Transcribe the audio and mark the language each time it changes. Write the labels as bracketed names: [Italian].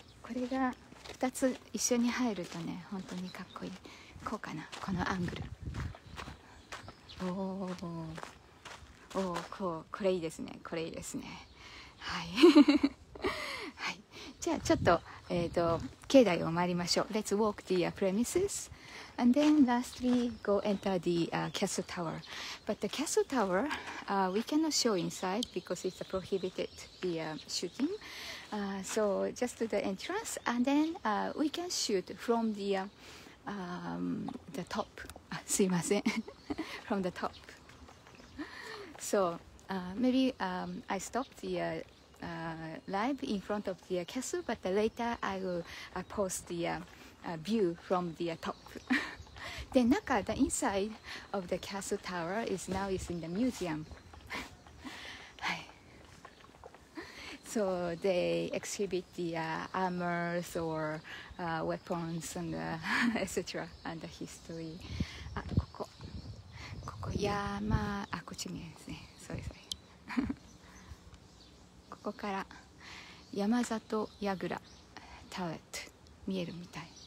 [Japanese] これが2つ一緒に入るとね、本当にかっこいい。こうかな、このアングル。おお、おお、こう、これいいですね、これいいですね。はい。はい、じゃあちょっと、境内を回りましょう。 [English] Let's walk the premises. And then lastly, go enter the castle tower. But the castle tower, we cannot show inside because it's prohibited the shooting. So just to the entrance, and then we can shoot from the top. [Japanese] すいません。 [English] from the top. So maybe I stop the live in front of the castle, but later I will post the view from the top. The naka, the inside of the castle tower is now is in the museum. So they exhibit the armors or weapons and etc. and the history. [Japanese] あ、ここ。ここ山、あ、こっち見えますね。 [English] Sorry, sorry. [Japanese] ここから山里矢倉タワット見えるみたい。